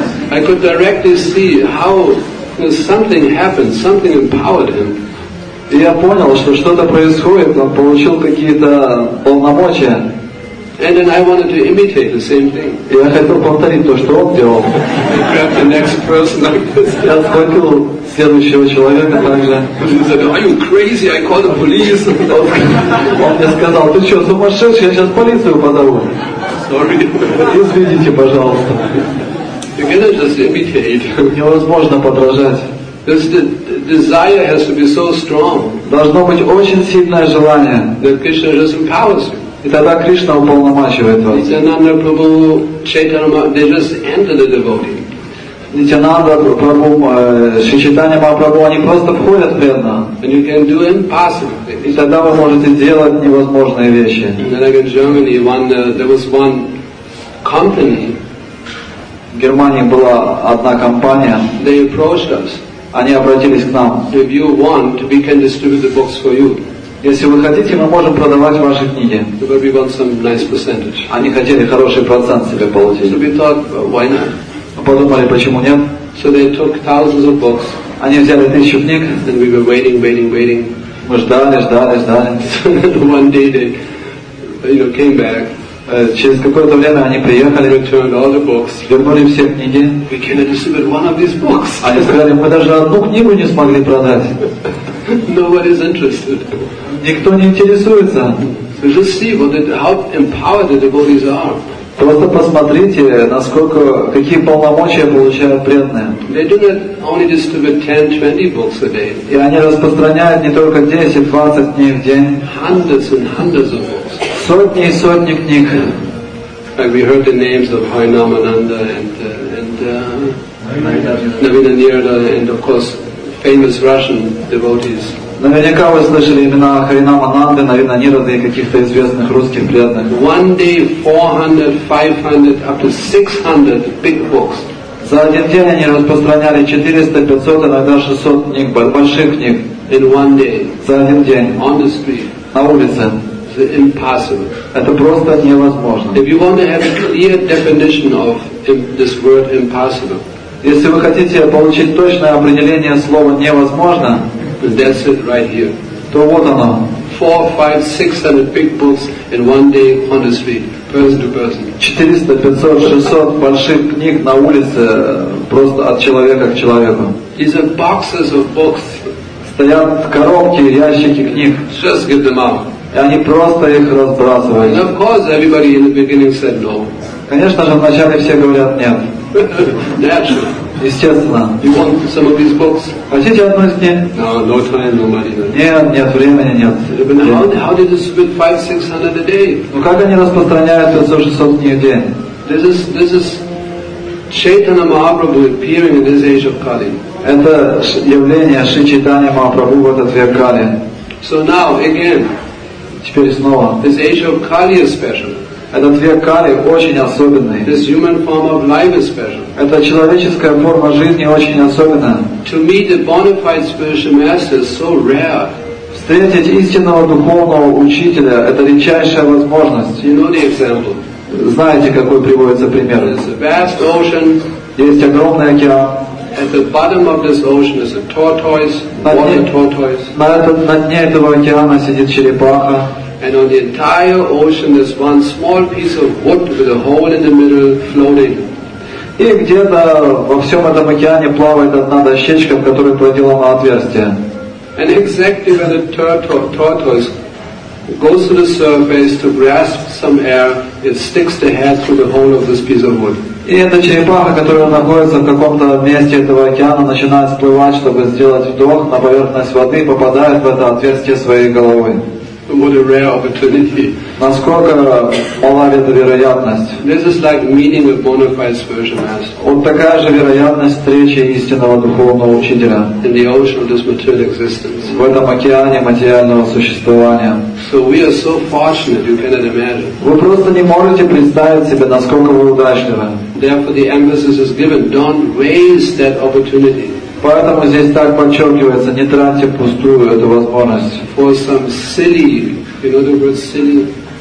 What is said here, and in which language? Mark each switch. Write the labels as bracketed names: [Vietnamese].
[English] I could directly see how something happened, something empowered him. [Russian] И я понял, что что-то происходит, он получил какие-то полномочия. [English] And then I wanted to imitate the same thing. [Russian] Я хотел повторить то, что он делал. [English] I grabbed the next person like this. [Russian] Я схватил следующего человека также. [English] He said, "Are you crazy? I call the police." [Russian] Он мне сказал, "Ты что, сумасшедший? Я сейчас полицию позову." [English] Sorry. [Russian] Извините, пожалуйста. [English] You cannot just imitate. [Russian] Невозможно подражать. [English] This desire has to be so strong. [Russian] Должно быть очень сильное желание. [English] That Krishna just empowers you. [Russian] И тогда Кришна уполномачивает вас. [English] Nityananda Prabhu, Chaitanya Mahaprabhu, they just enter the devotee. [Russian] Nityananda Prabhu, Shri Chaitanya Mahaprabhu, они просто входят в преданного. [English] And you can do impossible things. [Russian] И тогда вы можете делать невозможные вещи. [English] And then like in Germany, there was one company. [Russian] В Германии была одна компания. [English] They approached us. [Russian] Они обратились к нам. [English] If you want, we can distribute the books for you. [Russian] Если вы хотите, мы можем продавать ваши книги. [English] Maybe want some nice percentage. [Russian] Они хотели хороший процент себе получить. [English] So we thought, why not? [Russian] Мы подумали, почему нет? [English] So they took thousands of books. [Russian] Они взяли тысячу книг. [English] And we were waiting. [Russian] Мы ждали. [English] So one day they, you know, came back. [Russian] Через какое-то время они приехали, вернули все книги. [English] We can't distribute one of these books. [Russian] Они сказали, мы даже одну книгу не смогли продать. [English] Nobody's interested. [Russian] Никто не интересуется. [English] So just see what it, how empowered the devotees are. [Russian] Просто посмотрите, насколько, какие полномочия получают преданные. [English] They do not only distribute 10-20 books a day. [Russian] И они распространяют не только 10-20 книг в день. [English] Hundreds and hundreds of books. [Russian] Сотни и сотни книг. [English] Like we heard the names of Hoinamananda and Navinanirda and of course famous Russian devotees. [Russian] Наверняка вы слышали имена Харинамананды, Навинанирады и каких-то известных русских преданных. [English] One day 400, 500, up to 600 big books. [Russian] За один день они распространяли 400, 500, иногда 600 книг, больших книг. [English] In one day. [Russian] За один день. [English] On the street. [Russian] На улице. [English] It's impossible. [Russian] Это просто невозможно. [English] If you want to have a clear definition of this word impossible. [Russian] Если вы хотите получить точное определение слова невозможно, [English] that's it right here. [Russian] То вот оно. [English] 400, 500, 600 big books in one day on the street, person to person. [Russian] 400, 500, 600 больших книг на улице просто от человека к человеку. [English] These are boxes of books. [Russian] Стоят в коробке ящики книг. [English] Just give them out. [Russian] И они просто их разбрасывают. [English] And of course, everybody in the beginning said no. [Russian] Конечно же, вначале все говорят нет. Естественно. [English] You want some of these books? [Russian] Хотите одну из книг? [English] No time, no money. [Russian] Нет, времени нет. [English] But how did they distribute 500-600 a day? [Russian] Ну как они распространяют 500-600 книг в день? [English] This is Chaitanya Mahaprabhu appearing in this age of Kali. [Russian] Это явление Шри Чайтанья Махапрабху в этот век Кали. [English] So now again. [Russian] Теперь снова. [English] This age of Kali is special. [Russian] Этот век Кали очень особенный. [English] This human form of life is special. [Russian] Эта человеческая форма жизни очень особенная. [English] To meet a bona fide spiritual master is so rare. [Russian] Встретить истинного духовного учителя – это редчайшая возможность. [English] You know the example. [Russian] Знаете, какой приводится пример? [English] There's a vast ocean. [Russian] Есть огромный океан. [English] At the bottom of this ocean is a tortoise, water tortoise. [Russian] На дне этого океана сидит черепаха. [English] And on the entire ocean is one small piece of wood with a hole in the middle floating. [Russian] И где-то во всем этом океане плавает одна дощечка, в которой проделано отверстие. [English] And exactly when the tortoise goes to the surface to grasp some air, it sticks the head through the hole of this piece of wood. [Russian] И эта черепаха, которая находится в каком-то месте этого океана, начинает всплывать, чтобы сделать вдох на поверхность воды, попадает в это отверстие своей головой. [English] What a rare opportunity. [Russian] Насколько мала эта вероятность. [English] This is like meeting a bona fide spiritual master. [Russian] Вот такая же вероятность встречи истинного духовного учителя. [English] In the ocean of this material existence. [Russian] В этом океане материального существования. [English] So we are so fortunate, you cannot imagine. [Russian] Вы просто не можете представить себе, насколько вы удачливы. [English] Therefore the emphasis is given, don't waste that opportunity. [Russian] Поэтому здесь так подчеркивается, не тратьте впустую эту возможность. [English] For some silly, you know the word silly.